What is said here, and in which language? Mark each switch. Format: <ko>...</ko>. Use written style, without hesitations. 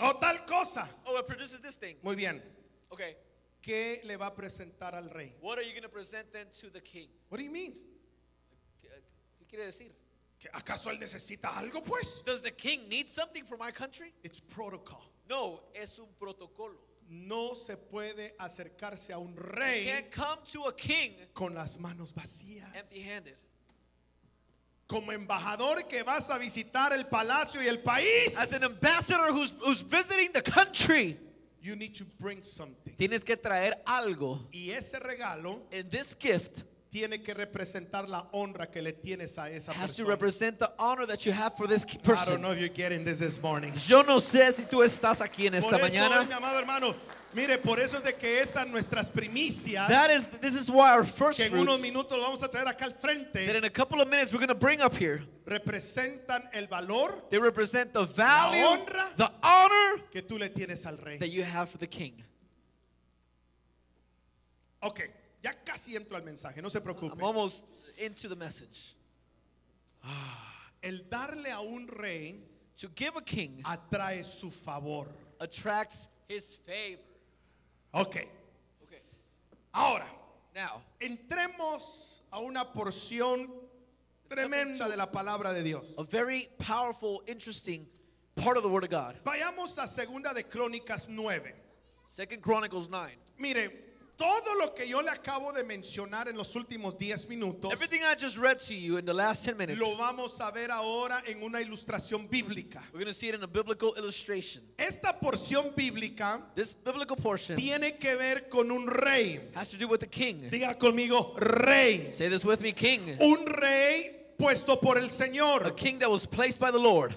<es>O tal cosa.</es> <en>Oh, it produces this thing.</en> <es>Muy bien.</es> <en>Okay.</en> <es>¿Qué le va a presentar al rey?</es> <en>What are you going to present then to the king? What do you mean?</en> <es>¿Qué quiere decir? ¿Que acaso él necesita algo, pues?</es> <en>Does the king need something for my country? It's protocol.</en> <es>No, es un protocolo. No se puede acercarse a un rey con las manos vacías.</es> <en>Empty-handed.</en> <es>Como embajador que vas a visitar el palacio y el país.</es> <en>As an ambassador who's visiting the country. You need to bring something.</en> <es>Tienes que traer algo. Y ese regalo.</es> <en>And this gift.</en> <es>Tiene que representar la honra que le tienes a esa</es> <en>has</en> <es>persona.</es> <en>To represent the honor that you have for this person. I don't know if you're getting this morning.</en> <es>Yo no sé si tú estás aquí en por esta eso, mañana. Mi amado hermano, mire, por eso es de que estas nuestras primicias.</es> <en>That is, this is why our first</en> <es>que en unos minutos lo vamos a traer acá al frente.</es> <en>That in a couple of minutes we're going to bring up here.</en> <es>Representan el valor.</es> <en>They represent the value.</en> <es>La honra.</es> <en>The honor</en> <es>que tú le tienes al rey.</es> <en>That you have for the king. Okay.</en> <es>Ya casi entro al mensaje, no se preocupe.</es> <en>I'm almost into the message.</en> <es>El darle a un rey,</es> <en>to give a king,</en> <es>atrae su favor.</es> <en>Attracts his favor. Okay. Okay.</en> <es>Ahora,</es> <en>now,</en> <es>entremos a una porción tremenda de la palabra de Dios.</es> <en>A very powerful, interesting part of the word of God.</en> <es>Vayamos a Segunda de Crónicas 9.</es> <en>Second Chronicles 9.</en> <es>Mire, todo lo que yo le acabo de mencionar en los últimos 10 minutos.</es> <en>Everything I just read to you in the last 10 minutes.</en> <es>Lo vamos a ver ahora en una ilustración bíblica.</es> <en>We're going to see it in a biblical illustration.</en> <es>Esta porción bíblica.</es> <en>This biblical portion.</en> <es>Tiene que ver con un rey.</es> <en>Has to do with the king.</en> <es>Diga conmigo, rey.</es> <en>Say this with me, king.</en> <es>Un rey puesto por el Señor.</es> <en>A king that was placed by the Lord.</en>